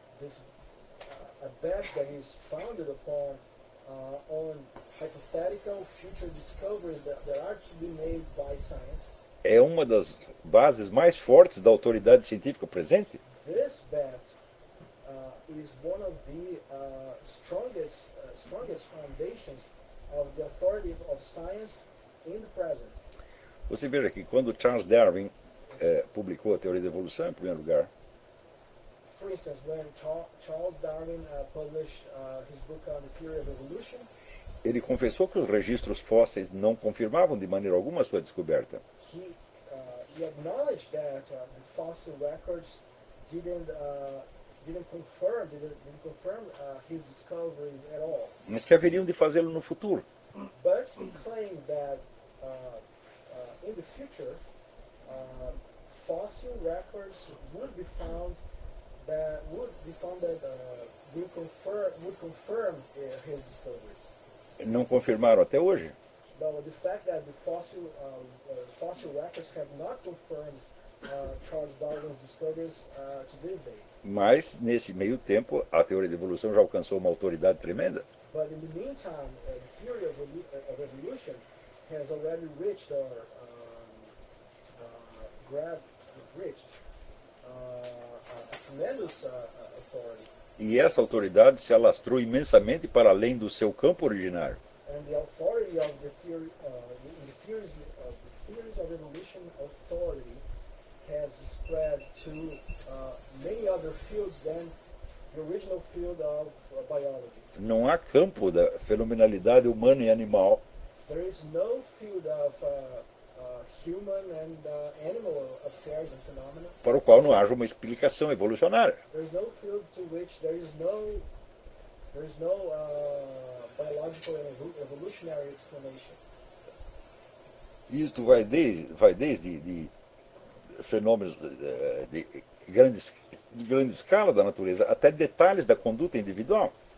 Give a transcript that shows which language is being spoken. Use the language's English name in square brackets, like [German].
[English] This a bet that is founded upon on hypothetical future discoveries that are to be made by science. [Portuguese] É uma das bases mais fortes da autoridade científica presente. [English] This bet is one of the strongest foundations of the authority of science in the present. [Portuguese] Você veja que quando Charles Darwin publicou a teoria da evolução em primeiro lugar. [English] For instance, when Charles Darwin published his book on the theory of evolution, [Portuguese] ele confessou que os registros fósseis não confirmavam de maneira alguma a sua descoberta. [English] He acknowledged that the fossil records didn't confirm his discoveries at all. [Portuguese] Mas que haveriam de fazê-lo no futuro. [English] But he claimed that in the future fossil records would confirm his discoveries. [Portuguese] Não confirmaram até hoje? [English] But with the fact that the fossil records have not confirmed Charles Darwin's discoveries to this day. [Portuguese] Mas nesse meio tempo, a teoria da evolução já alcançou uma autoridade tremenda. [English] But in the meantime, the theory of evolution has already reached or reached a tremendous authority. [Portuguese] E essa autoridade se alastrou imensamente para além do seu campo originário. [English] And the authority of the theory, the theories of evolution authority has spread to many other fields than the original field of biology. [Portuguese] Não há campo da fenomenalidade humana e animal. [English] There is no field of human and animal affairs and phenomena. [Portuguese] Para o qual não haja uma explicação evolucionária. [English] There is no field to which there is no biological and evolutionary explanation. [Portuguese] Isto vai desde fenômenos de grande escala da natureza até detalhes da conduta individual.